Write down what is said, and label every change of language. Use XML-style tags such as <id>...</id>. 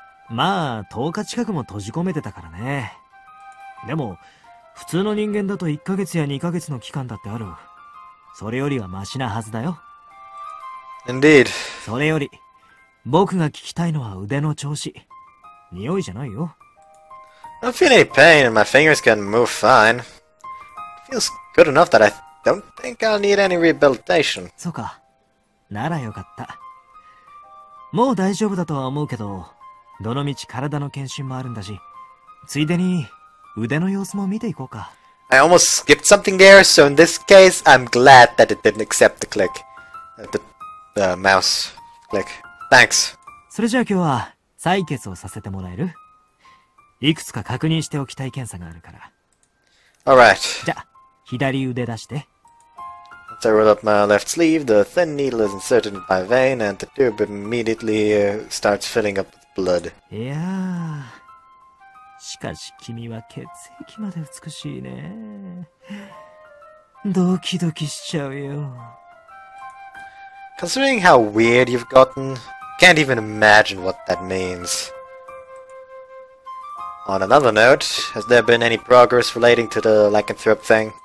<ja>まあ、10日近くも閉じ込めてたからね。でも、普通の人間だと1ヶ月や2ヶ月の期間だってある。それよりはマシなはずだよ。</ja> <en>Indeed.</en> <ja>それより、僕が聞きたいのは腕の調子。匂いじゃないよ。</ja> <en>I don't feel any pain and my fingers can move fine. It feels good enough that I don't think I'll need any rehabilitation.</en> <ja>そうか。ならよかった。もう大丈夫だとは思うけど、どのみち体の検診もあるんだし、ついでに腕の様子も見ていこうか。</ja> <en>I almost skipped something there, so in this case, I'm glad that it didn't accept the click. The mouse click. Thanks.</en> <ja>それじゃあ今日は採血をさせてもらえる？いくつか確認しておきたい検査があるから。</ja> <en>Alright.</en> <ja>じゃあ、左腕出して。</ja> <en>So I rolled up my left sleeve, the thin needle is inserted in my vein, and the tube immediately starts filling up with blood.</en> <ja>いやー、しかし君は血液まで美しいね。ドキドキしちゃうよ。</ja> <en>Considering how weird you've gotten, can't even imagine what that means. On another note, has there been any progress relating to the lycanthrope thing?</en>